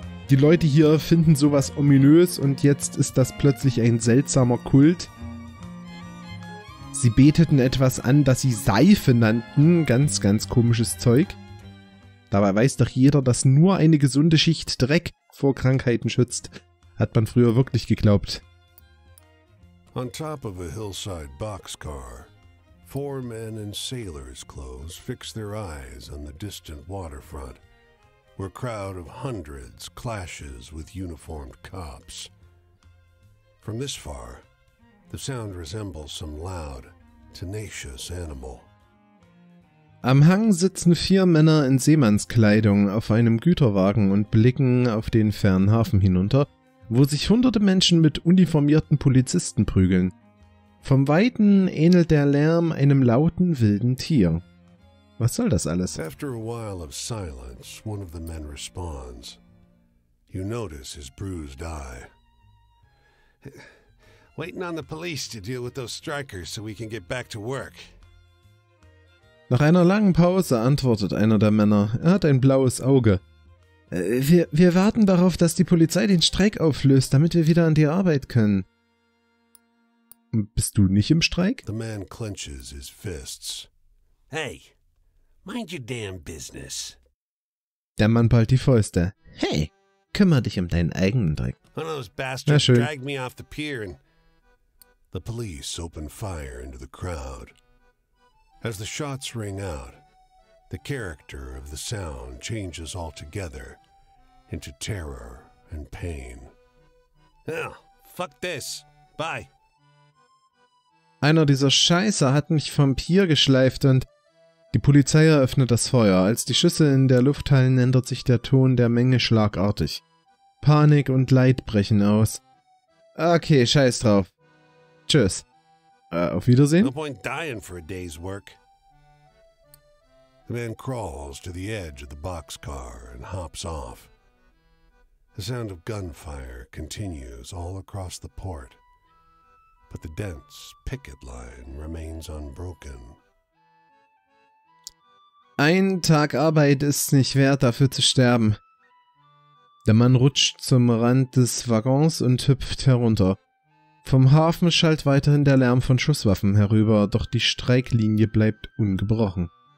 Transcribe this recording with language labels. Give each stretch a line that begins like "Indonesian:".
German: Die Leute hier finden sowas ominös und jetzt ist das plötzlich ein seltsamer Kult. Sie beteten etwas an, das sie Seife nannten. Ganz, ganz komisches Zeug. Dabei weiß doch jeder, dass nur eine gesunde Schicht Dreck vor Krankheiten schützt. Hat man früher wirklich geglaubt.
English: On top of a hillside boxcar, four men in sailor's clothes fixed their eyes on the distant waterfront, where a crowd of hundreds clashes with uniformed cops. From this far, the sound resembles some loud, tenacious animal.
German: Am Hang sitzen vier Männer in Seemannskleidung auf einem Güterwagen und blicken auf den fernen Hafen hinunter, wo sich hunderte Menschen mit uniformierten Polizisten prügeln. Vom Weiten ähnelt der Lärm einem lauten, wilden Tier. Was soll das alles?
English: After a while of silence, one of the men responds. You notice his bruised eye. Waiting on the police to deal with those strikers so we can get back to work.
German: Nach einer langen Pause antwortet einer der Männer, er hat ein blaues Auge. Wir warten darauf, dass die Polizei den Streik auflöst, damit wir wieder an die Arbeit können. Bist du nicht im Streik?
English: The man clenches his fists. Hey, mind your damn business.
German: Der Mann ballt die Fäuste. Hey, kümmere dich um deinen eigenen Dreck.
English: One of those bastards dragged me off the pier and the police open fire into the crowd. As the shots ring out, the character of the sound changes altogether into terror and pain. Oh, fuck this. Bye.
German: Einer dieser Scheißer hat mich vom Pier geschleift und die Polizei eröffnet das Feuer. Als die Schüsse in der Luft hallen, ändert sich der Ton der Menge schlagartig. Panik und Leid brechen aus. Okay, scheiß drauf. Tschüss. Auf Wiedersehen.
English: No point dying for a day's work. The man crawls to the edge of the boxcar and hops off. The sound of gunfire continues all across the port, but the dense picket line remains unbroken.
German: Ein Tag Arbeit ist nicht wert, dafür zu sterben. Der Mann rutscht zum Rand des Waggons und hüpft herunter. Vom Hafen schallt weiterhin der Lärm von Schusswaffen herüber, doch die Streiklinie bleibt ungebrochen.